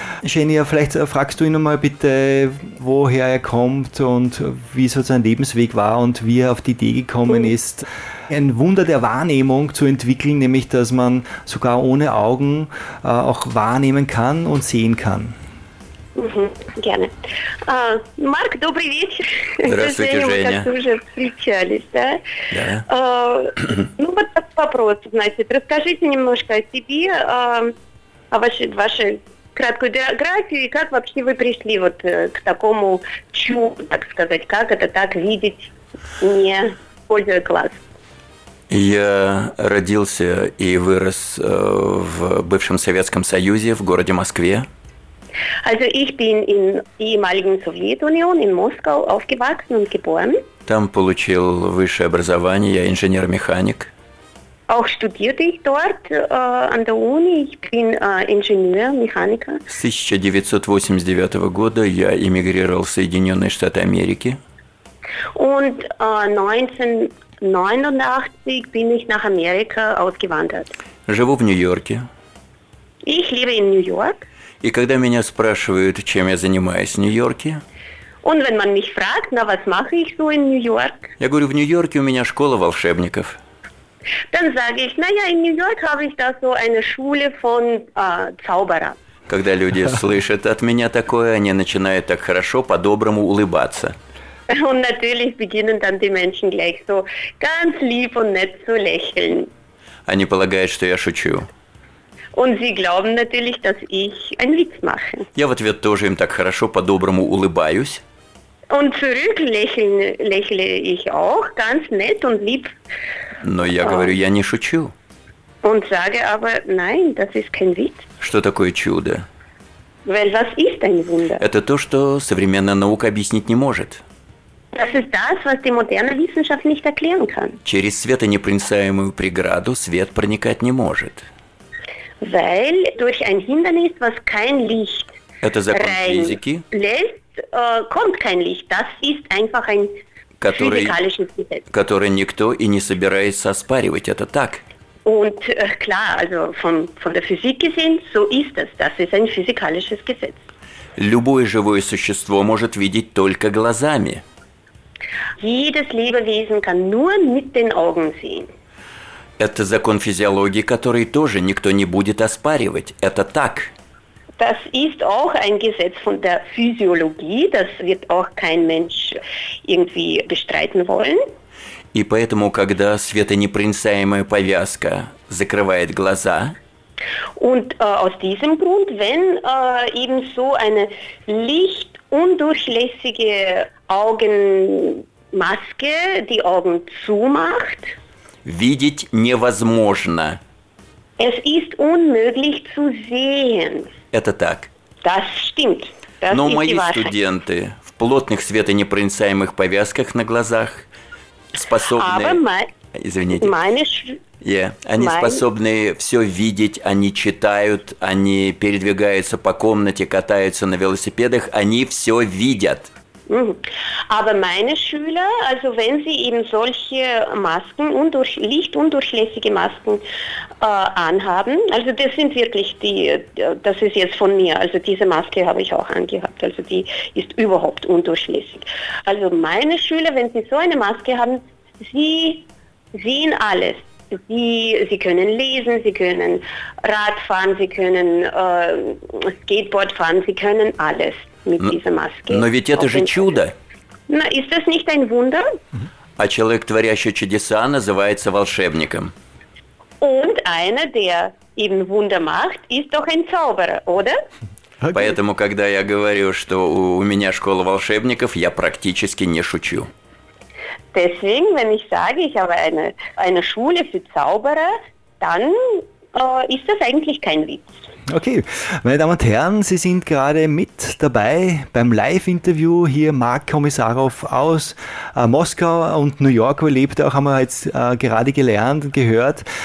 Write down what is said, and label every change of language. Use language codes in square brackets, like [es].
[de] Xenia, vielleicht fragst du ihn nochmal bitte, woher er kommt und wie so sein Lebensweg war und wie er auf die Idee gekommen ist, ein Wunder der Wahrnehmung zu entwickeln, nämlich dass man sogar ohne Augen auch wahrnehmen kann und sehen kann. [ru] Mhm, [de] gerne. [ru] Марк, добрый вечер. Здравствуйте, Женя. Мы как-то уже встречались, да? Да. Ну вот так вопрос, значит, расскажите немножко о себе, о вашей краткой биографии, и как вообще вы пришли вот к такому чуду, так сказать, как это так видеть, не используя глаз? Я родился и вырос в бывшем Советском Союзе, в городе Москве. [de] Also ich bin in der ehemaligen Sowjetunion in Moskau aufgewachsen und geboren. [ru] Там получил высшее образование, я инженер-механик. [de] Auch studierte ich dort an der Uni, ich bin Ingenieur-Mechaniker. [ru] С 1989 года я эмигрировал в Соединенные Штаты Америки. [de] Und 1989 bin ich nach Amerika ausgewandert. [ru] Живу в Нью-Йорке. [de] Ich lebe in New York. [ru] И когда меня спрашивают, чем я занимаюсь в Нью-Йорке, [de] Und wenn man mich fragt, na, was mache ich so in New York? [ru] Я говорю, в Нью-Йорке у меня школа волшебников. [de] Dann sage ich, na ja, in New York habe ich da so eine Schule von Zauberer. [ru] Когда люди слышат от меня такое, они начинают так хорошо, по-доброму улыбаться. [de] Und natürlich beginnen dann die Menschen gleich so ganz lieb und nett zu lächeln. [ru] Они полагают, что я шучу. [de] Und sie glauben natürlich, dass ich einen Witz mache. [ru] Я в ответ тоже им так хорошо, по-доброму улыбаюсь. [de] Und zurück lächle ich auch ganz nett und lieb. [ru] Но я говорю, я не шучу. [de] Und sage aber, nein, das ist kein Witz. [ru] Что такое чудо? [de] Weil was ist ein Wunder? [ru] Это то, что современная наука объяснить не может. [de] Das ist das, was die moderne Wissenschaft nicht erklären kann. [ru] Через светонепроницаемую преграду свет проникать не может. [de] Weil durch ein Hindernis, was kein Licht reinlässt, kommt kein Licht. Das ist einfach ein physikalisches Gesetz. [ru] Который никто и не собирается оспаривать. Это так. [de] Und klar, also von der Physik gesehen, so ist das. Das ist ein physikalisches Gesetz. [ru] Любое живое существо может видеть только глазами. [de] Jedes Lebewesen kann nur mit den Augen sehen. [ru] Это закон физиологии, который тоже никто не будет оспаривать. Это так. [de] Das ist auch ein Gesetz von der Physiologie, das wird auch kein Mensch irgendwie bestreiten wollen. [ru] И поэтому, когда светонепроницаемая повязка закрывает глаза, [de] und aus diesem Grund, wenn eben so eine lichtundurchlässige Augenmaske die Augen zumacht, [ru] видеть невозможно. [de] Es ist unmöglich zu sehen. [ru] Это так. [de] Das stimmt. Das [ru] Но мои студенты в плотных светонепроницаемых повязках на глазах способны... способны все видеть, они читают, они передвигаются по комнате, катаются на велосипедах, они все видят. [de] Aber meine Schüler, also wenn sie eben solche Masken, lichtundurchlässige Masken anhaben, also das sind wirklich die, das ist jetzt von mir, also diese Maske habe ich auch angehabt, also die ist überhaupt undurchlässig. Also meine Schüler, wenn sie so eine Maske haben, sie sehen alles. Sie können lesen, sie können Rad fahren, sie können Skateboard fahren, sie können alles. [ru] Но ведь это же чудо. [de] Но ist das nicht ein Wunder? [ru] А человек, творящий чудеса, называется волшебником. [de] Und einer, der eben Wunder macht, ist doch ein Zauberer, oder? Okay. [ru] Поэтому, когда я говорю, что у меня школа волшебников, я практически не шучу. [de] Deswegen, wenn ich sage, ich habe eine Schule für Zauberer, dann ist das eigentlich kein Witz. Okay, meine Damen und Herren, Sie sind gerade mit dabei beim Live-Interview hier, Mark Komisarov aus Moskau und New York, wo er lebt, auch haben wir jetzt gerade gelernt und gehört.